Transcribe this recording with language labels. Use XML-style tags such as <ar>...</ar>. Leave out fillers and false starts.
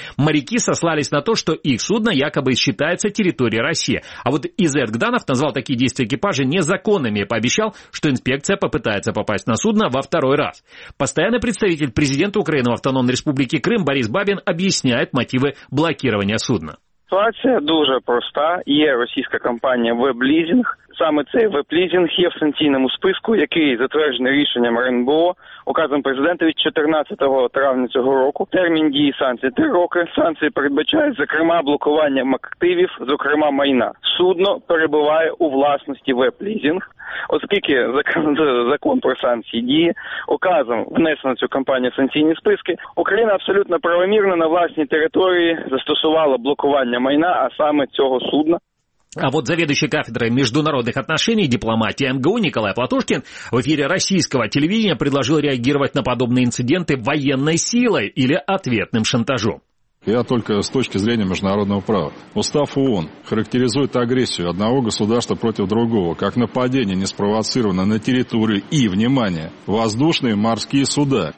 <ru>Моряки сослались на то, что их судно якобы считается территорией России. А вот Изет Гданов назвал такие действия экипажа незаконными и пообещал, что инспекция попытается попасть на судно во второй раз. Постоянный представитель президента Украины в Автономной Республике Крым Борис Бабин объясняет мотивы блокирования судна.</ru> <uk>Ситуація дуже проста. Є російська компанія «Веблізінг». Саме цей «Веблізінг» є в санкційному списку, який затверджений рішенням РНБО, указом президента від 14 травня цього року. Термін дії санкцій – 3 роки. Санкції передбачають, зокрема, блокування активів, зокрема, майна. Судно перебуває у власності «Веблізінг». Оскільки закон про санкції діє, указом внесено цю компанію в санкційні списки, Україна абсолютно правомірно на власній території застосувала блокування майна, а саме цього судна.</uk> <ru>А вот заведующий кафедрой международных отношений и дипломатии МГУ Николай Платошкин в эфире российского телевидения предложил реагировать на подобные инциденты военной силой или ответным шантажом. Я только с точки зрения международного права. Устав ООН характеризует агрессию одного государства против другого как нападение, не спровоцированное на территорию и, внимание, воздушные морские суда.</ru>